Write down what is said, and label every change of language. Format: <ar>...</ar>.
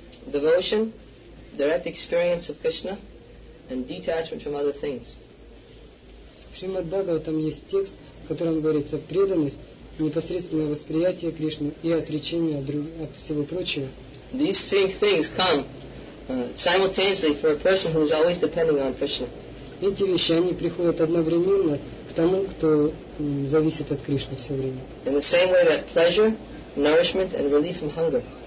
<en>Devotion, direct experience of Krishna, and detachment from other things.</en> <ru>В Srimad Bhagavatam есть текст, в котором говорится преданность, непосредственное восприятие Кришны и отречение от всего прочего.</ru> <en>These three things come simultaneously for a person who is always depending on Krishna.</en> <ru>Эти вещи, они приходят одновременно к тому, кто зависит от Кришны все время.</ru> <en>In the same way that pleasure, nourishment and relief from hunger.</en>